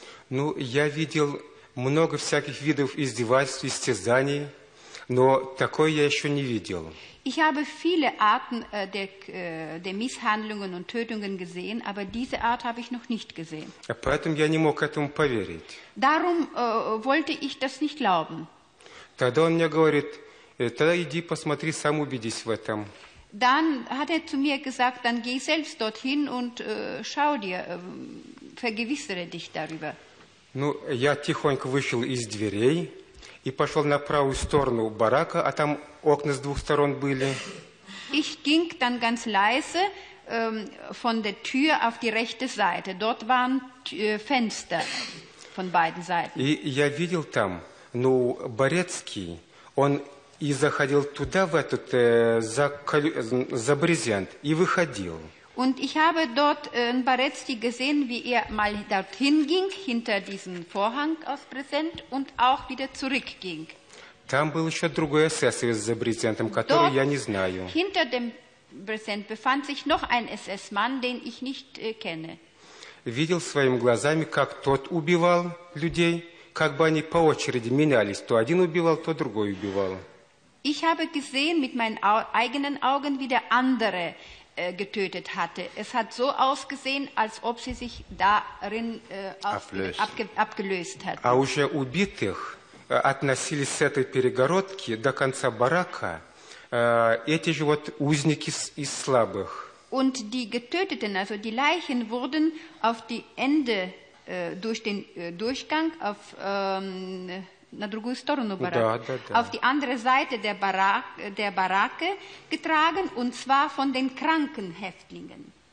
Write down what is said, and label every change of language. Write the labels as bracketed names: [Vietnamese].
[Russian] Ну, я видел много всяких видов издевательств, истязаний, но такое я еще не видел. [German] Ich habe viele Arten der Misshandlungen und Tötungen gesehen, aber diese Art habe ich noch nicht gesehen. [Russian] Поэтому я не мог этому поверить. [German] Darum wollte ich das nicht glauben. [Russian] Тогда он мне говорит, тогда иди посмотри, сам убедись в этом. [German] Dann hat zu mir gesagt, dann geh selbst dorthin und schau dir, vergewissere dich darüber. [Russian] Ну, я тихонько вышел из дверей и пошел на правую сторону барака, а там окна с двух сторон были. [German] Ich ging dann ganz leise von der Tür auf die rechte Seite. Dort waren Fenster von beiden Seiten. [Russian] И я видел там, ну, Борецкий, он и заходил туда, в этот, за брезент, и выходил. [German] Und ich habe dort Borecki gesehen, wie mal dorthin ging, hinter diesen Vorhang aus Präsent, und auch wieder zurückging. [Russian] Там был еще другой эсэсовец за брезентом, который [German] dort, [Russian] я не знаю. [German] Hinter dem Präsent befand sich noch ein SS-Mann, den ich nicht kenne. [Russian] Видел своими глазами, как тот убивал людей, как бы они по очереди менялись, то один убивал, то другой убивал. [German] Ich habe gesehen mit meinen eigenen Augen, wie der andere getötet hatte. Es hat so ausgesehen, als ob sie sich darin abgelöst hat. [Russian] А уже убитых относили с этой перегородки до конца барака эти же вот узники из слабых. [German] Und die Getöteten, also die Leichen, wurden auf die Ende durch den Durchgang auf [Russian] на другую сторону барака. Да, да, да. [German] Auf die andere Seite der Baracke getragen, und zwar von den kranken Häftlingen.